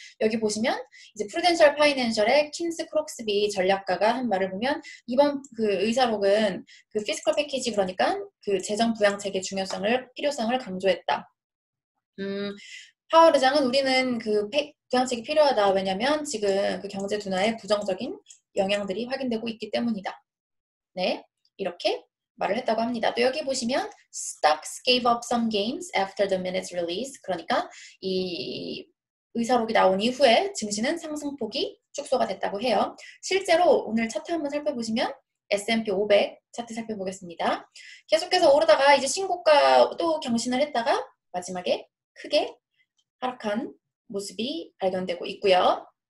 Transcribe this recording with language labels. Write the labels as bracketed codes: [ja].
[ko] 여기 보시면 이제 프루덴셜 파이낸셜의 킨스 크록스비 전략가가 한 말을 보면 이번 그 의사록은 그 피스컬 패키지 그러니까 그 재정 부양책의 필요성을 강조했다. 파월 의장은 우리는 그 부양책이 필요하다. 왜냐면 지금 그 경제 둔화에 부정적인 영향들이 확인되고 있기 때문이다. 네. 이렇게 말을 했다고 합니다. 또 여기 보시면 [en] stocks gave up some gains after the minutes release. [ko] 그러니까 이 의사록이 나온 이후에 증시는 상승폭이 축소가 됐다고 해요. 실제로 오늘 차트 한번 살펴보시면 S&P 500 차트 살펴보겠습니다. 계속해서 오르다가 이제 신고가 또 경신을 했다가 마지막에 크게 하락한 모습이 발견되고 있고요.